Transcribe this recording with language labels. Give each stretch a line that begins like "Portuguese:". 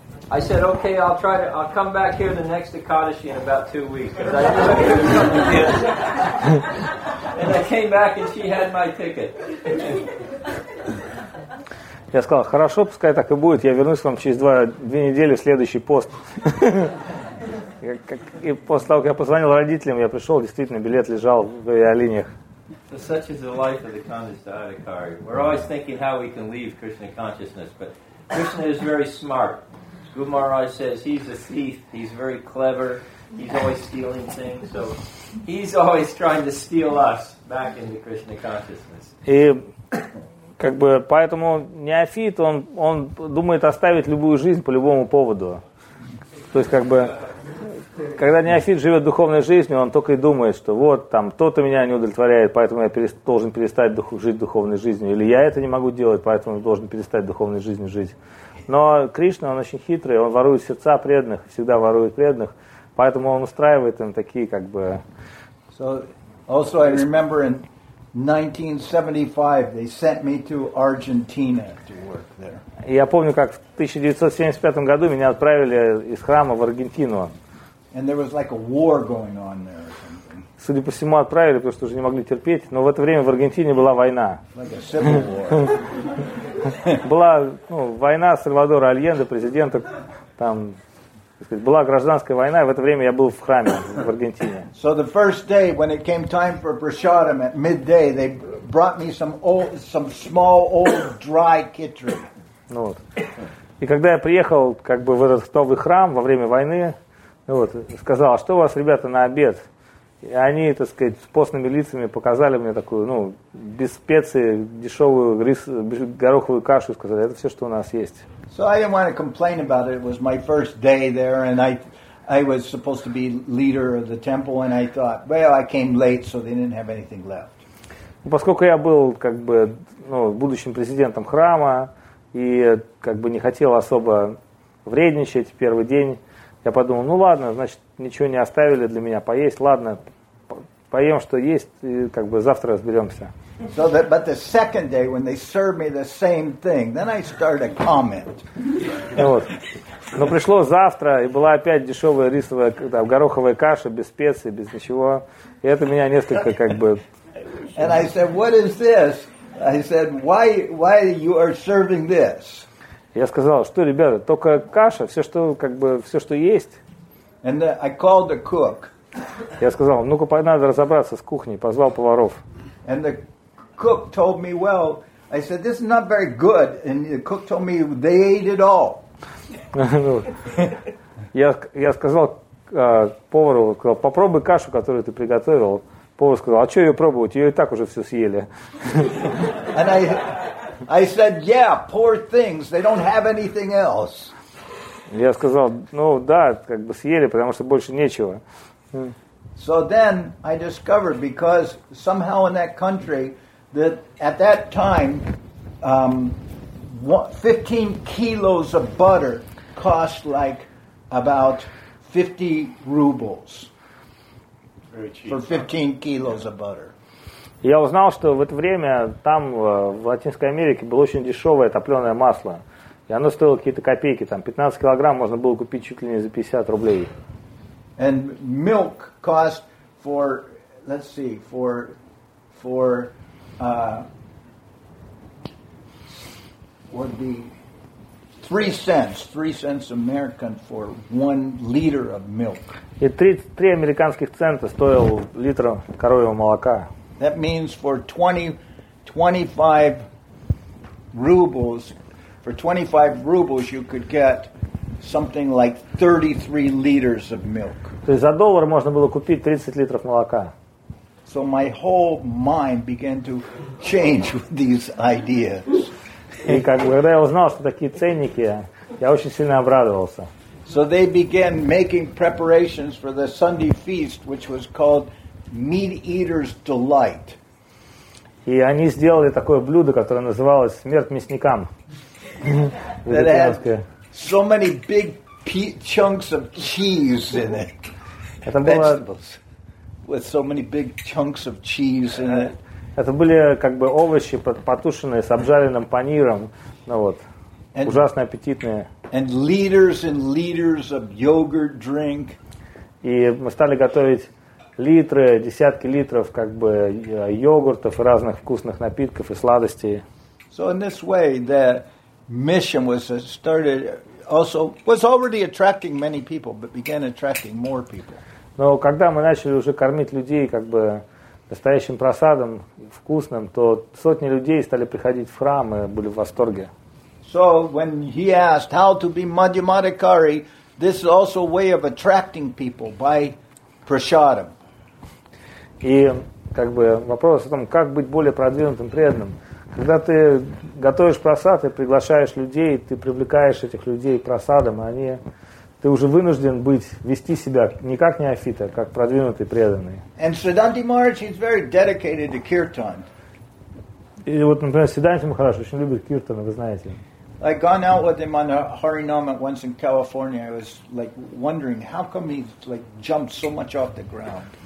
English: I said, okay, I'll come back here the next Ekadashi in about 2 weeks. I knew I and I came back and she had my ticket.
Russian: Я сказал, хорошо, пускай так и будет, я вернусь вам через две недели в следующий пост. И после того, как я позвонил родителям, я пришел, действительно, билет лежал в авиалиниях.
English: So such is the life of the Kandasa Adhikari. We're always thinking how we can leave Krishna consciousness, but Krishna is very smart. Guru Maharaj says he's a thief. He's very clever. He's always stealing things. So he's always trying to steal us back into Krishna consciousness.
Russian: И как бы поэтому неофит, он думает оставить любую жизнь по любому поводу. То есть как бы когда неофит живет духовной жизнью, он только и думает, что вот там кто-то меня не удовлетворяет, поэтому я должен перестать жить духовной жизнью, или я это не могу делать, поэтому должен перестать духовной жизнью жить. Но Кришна, он очень хитрый, он ворует сердца преданных, всегда ворует преданных, поэтому он устраивает им такие как бы...
English: So, also I remember in 1975 they sent me to Argentina to work there.
Russian: Я помню, как в 1975 году меня отправили из храма в Аргентину.
English: And there was like a war going on there or something.
Russian: Судя по всему, отправили, потому что уже не могли терпеть, но в это время в Аргентине была война.
English: Like a civil war.
Russian: Была, ну, война Сальвадора Альенде, президента, там, так сказать, была гражданская война, и в это время я был в храме в Аргентине.
English: So the first day, when it came time for prasadam at midday, they brought me some small old dry khichdi.
Russian: Ну вот. И когда я приехал, как бы, в этот новый храм во время войны, ну вот, сказал, что у вас, ребята, на обед? И они, так сказать, с постными лицами показали мне такую, ну, без специй, дешевую гороховую кашу и сказали, это все, что у нас есть.
English: So I didn't want to complain about it. It was my first day there, and I I was supposed to be leader of the temple, and I thought, well, I came late, so they didn't have anything left.
Russian: Поскольку я был как бы, ну, будущим президентом храма и как бы не хотел особо вредничать в первый день, я подумал, ну ладно, значит, ничего не оставили для меня поесть, ладно, поем, что есть, и как бы завтра разберемся.
English: So that, but the second day, when they served me the same thing, then I started a comment.
Russian: Вот. Но пришло завтра, и была опять дешевая рисовая, там, гороховая каша, без специй, без ничего. И это меня несколько как бы...
English: And I said, what is this? I said, why you are serving this?
Russian: Я сказал, что, ребята, только каша, все, что, как бы, все, что есть.
English: And I called the cook.
Russian: Я сказал, ну-ка, надо разобраться с кухней, позвал поваров.
English: And the cook told me, well, I said, this is not very good. And the cook told me, they ate it all.
Russian: Я сказал повару, попробуй кашу, которую ты приготовил. Повар сказал, а что ее пробовать? Ее и так уже все съели.
English: And I said, yeah, poor things, they don't have anything else.
Russian: Я сказал, ну да, как бы съели, потому что больше нечего.
English: So then I discovered, because somehow in that country, that at that time, 15 kilos of butter cost like about 50 rubles. For 15 kilos of butter.
Russian: Я узнал, что в это время там, в Латинской Америке, было очень дешевое топленое масло. И оно стоило какие-то копейки. Там 15 килограмм можно было купить чуть ли не за 50 рублей.
English: And milk cost for, let's see, would be 3 cents American for 1 liter of milk.
Russian: И 3 американских цента стоил литр коровьего молока.
English: That means for 25 rubles, for 25 rubles you could get something like 33 liters of milk.
Russian: То есть за доллар можно было купить 30 литров молока.
English: So my whole mind began to change with these ideas.
Russian: И как бы, когда я узнал, что такие ценники, я очень сильно обрадовался.
English: So they began making preparations for the Sunday feast, which was called Meat Eater's Delight.
Russian: И они сделали такое блюдо, которое называлось «Смерть мясникам».
English: That had so many big chunks of cheese in it.
Russian: Это было...
English: Vegetables with so many big chunks of cheese in it.
Russian: Это были как бы овощи, потушенные с обжаренным паниром. Ну вот,
English: and,
Russian: ужасно аппетитные.
English: And liters and liters of yogurt drink.
Russian: И мы стали готовить литры, десятки литров как бы йогуртов, разных вкусных напитков и сладостей.
English: So in this way, the mission was started, also was already attracting many people, but began attracting more people.
Russian: Но когда мы начали уже кормить людей как бы настоящим просадом, вкусным, то сотни людей стали приходить в храм и были в восторге.
English: So when he asked how to be Madhyamadhikari, this is also a way of attracting people by prasadam.
Russian: И как бы вопрос о том, как быть более продвинутым преданным. Когда ты готовишь просад, ты приглашаешь людей, ты привлекаешь этих людей просадом, они... Ты уже вынужден быть, вести себя не как неофита, как продвинутый преданный.
English: And Siddhanti Maharaj, he's very dedicated to kirtan.
Russian: И вот, например, Siddhanti Maharaj очень любит киртаны, вы знаете.
English: I gone out with him on a Harinam at once in California. I was like wondering, how come he like jumped so much off the ground?